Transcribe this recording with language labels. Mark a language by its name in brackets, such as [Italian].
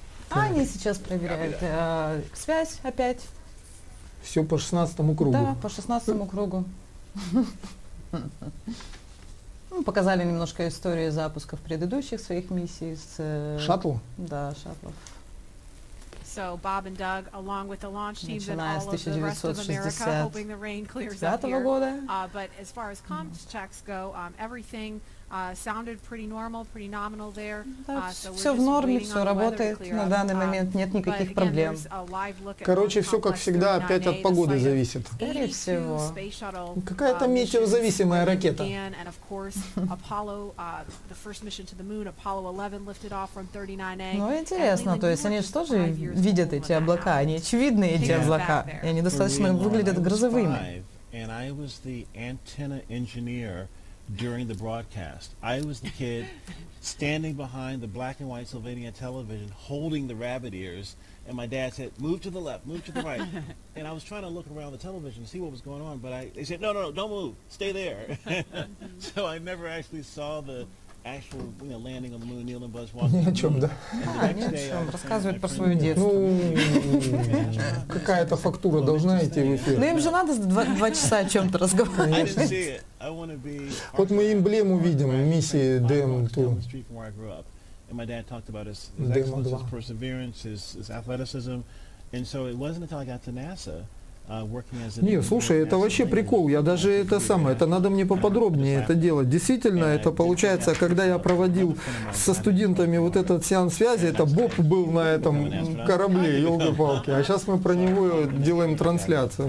[Russian] Они сейчас проверяют связь опять. Все по 16-му кругу. Да, по 16-му кругу. Показали немножко истории запусков предыдущих своих миссий. Шаттлов? Да, шаттлов. [English] So Bob and Doug, along with the launch teams and all of the rest of America, hoping the rain clears up here. But as far as comms checks go, everything sounded pretty normal, pretty nominal there. [Russian] Все в норме, все работает на данный момент, нет никаких проблем. Короче, все как всегда, опять от погоды зависит. Скорее всего. Какая-то метеозависимая ракета. [English] And of course, Apollo, the first mission to the moon, Apollo 11 lifted off from 39A. [Russian] Ну, интересно, то есть они же тоже видят эти облака, они очевидны, эти облака, и они достаточно выглядят грозовыми. [English] And I was the antenna engineer during the broadcast. I was the kid standing behind the black and white Sylvania television holding the rabbit ears, and my dad said, move to the left, move to the right. And I was trying to look around the television to see what was going on, but they said, no, don't move, stay there. So I never actually saw the [Russian] Ни о чем, да? Ни о чем. Рассказывает про свое детство. Ну, какая-то фактура должна идти в эфир. Ну, им же надо два часа о чем-то разговаривать. Вот мы эмблему видим в миссии Demo-2. [English] Demo-2. And so it wasn't until I got to NASA [Russian] Не, слушай, это вообще прикол. Я даже это самое, это надо мне поподробнее это делать. Действительно, это получается, когда я проводил со студентами вот этот сеанс связи, это Боб был на этом корабле, елки-палки. А сейчас мы про него делаем трансляцию.